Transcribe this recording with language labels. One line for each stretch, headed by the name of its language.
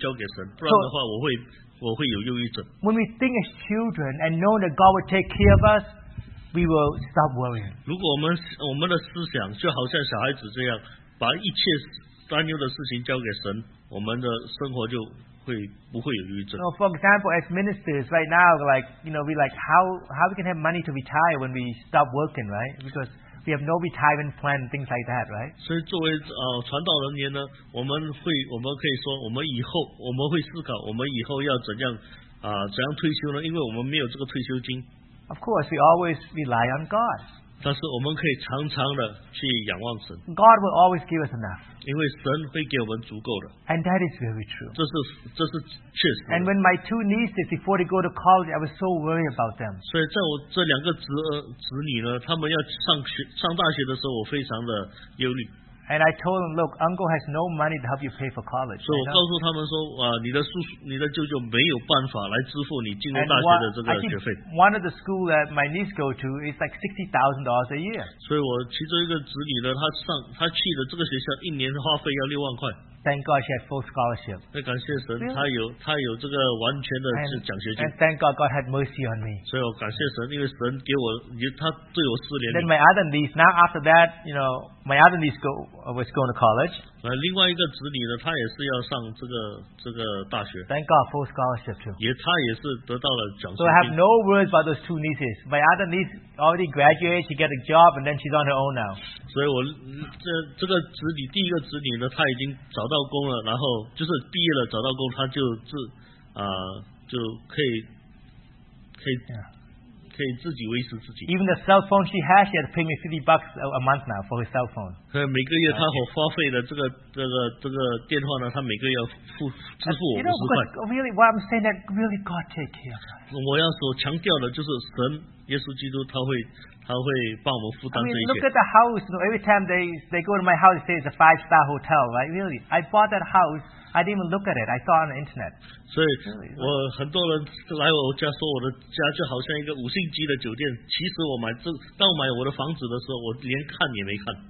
Chinese: 所以我尽力做一个好的丈夫，来为我太太祷告。我尽力做我的作为一个好的传道人，然后剩下的一切呢，我就交给神。不然的话，我会有忧郁症。
English: When we think as children and know that God will take care of us, we will stop worrying.
Chinese: 如果我们的思想就好像小孩子这样，把一切担忧的事情交给神，我们的生活就
English: So for example, as ministers right now, like, you know, we like how we can have money to retire when we stop working, right? Because we have no retirement plan, things like that, right?
Chinese: 所以作为传道人员呢，我们会思考我们以后要怎样退休呢？因为我们没有这个退休金。
English: Of course, we always rely on God.
Chinese: 但是我们可以常常的去仰望神。
English: God will always give us enough.
Chinese: 因为神会给我们足够的。
English: And that is very true.
Chinese: 这是确实的。
English: And when my two nieces, before they go to college, I was so worried about them.
Chinese: 所以在我这两个子女呢, 他们要上大学的时候, 我非常的忧虑。
English: And I told them, look, uncle has no money to help you pay for college.
Chinese: 所以我告诉他们说, 你的舅舅没有办法来支付你进入大学的这个学费。
English: One of the schools that my niece go to is like $60,000 a year.
Chinese: 所以我其中一个子女呢, 他去的这个学校, 一年花费要6万块。
English: Thank God she had full scholarship.
Chinese: 感谢神,
English: really?
Chinese: 他有这个完全的奖学金。
English: And thank God, God had mercy on me.
Chinese: 所以我感谢神, 因为神给我, 他对我施怜悯。
English: Then my other niece, now after that, you know, my other niece was going to college.
Chinese: 另外一个子女呢, 他也是要上这个大学。
English: Thank God, full scholarship too.
Chinese: 他也是得到了奖学金。
English: So I have no worries about those two nieces. My other niece already graduated, she got a job, and then she's on her own now.
Chinese: 所以我这个子女第一个子女呢, 他已经找到工了, 然后就是毕业了, 找到工, 他就可以自己维持自己。
English: Even the cell phone she has, she had to pay me $50 a month now for her cell phone.
Chinese: 所以每个月他所花费的这个电话呢, 他每个月要支付50块。
English: Really, what I'm saying, that really God take care of us.
Chinese: 我要所强调的就是神, 耶稣基督他会,
English: Look at the house. You know, every time they go to my house, they say it's a 5-star hotel, right? Really, I bought that house. I didn't even look at it. I saw it on the internet.
Chinese: So,我很多人来我家说我的家就好像一个五星级的酒店。其实我买这当我买我的房子的时候，我连看也没看。